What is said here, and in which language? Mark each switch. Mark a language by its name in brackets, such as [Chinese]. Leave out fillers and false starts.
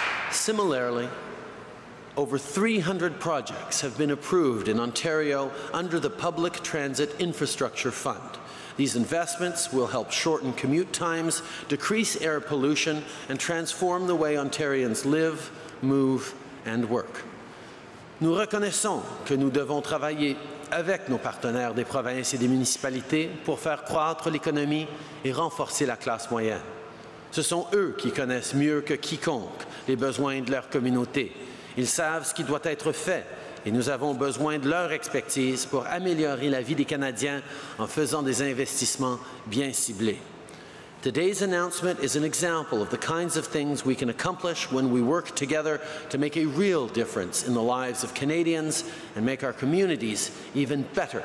[English] Similarly, over 300 projects have been approved in Ontario under the Public Transit Infrastructure Fund. These investments will help shorten commute times, decrease air pollution, and transform the way Ontarians live, move, and work. [French] Nous reconnaissons que nous devons travailler avec nos partenaires des provinces et des municipalités pour faire croître l'économie et renforcer la classe moyenne. Ce sont eux qui connaissent mieux que quiconque les besoins de leur communauté. Ils savent ce qui doit être fait et nous avons besoin de leur expertise pour améliorer la vie des Canadiens en faisant des investissements bien ciblés. [English] Today's announcement is an example of the kinds of things we can accomplish when we work together to make a real difference in the lives of Canadians and make our communities even better.